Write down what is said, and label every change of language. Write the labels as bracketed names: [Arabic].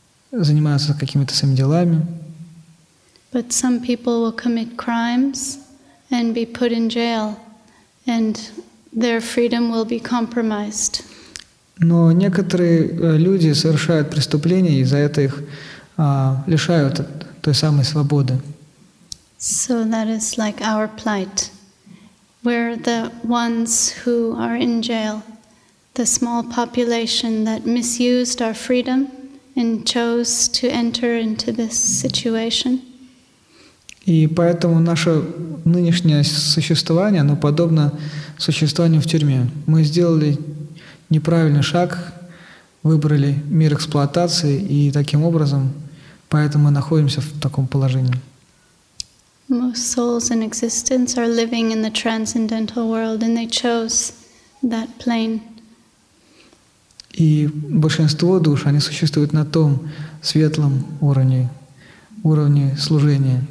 [Russian] Занимаются какими-то своими делами. [English] But some people will commit crimes and be put in jail, and their freedom will be compromised. [Russian] Но некоторые люди совершают преступления, и за это их лишают той самой свободы. [English] So that is like our plight. We're the ones who are in jail, the small population that misused our freedom and chose to enter into this situation. [Russian] И поэтому наше нынешнее существование, оно подобно существованию в тюрьме. Мы сделали неправильный шаг, выбрали мир эксплуатации, и таким образом, поэтому мы находимся в таком положении. [English] Most souls in existence are living in the transcendental world, and they chose that plane. [Russian] И большинство душ, они существуют на том светлом уровне, уровне служения.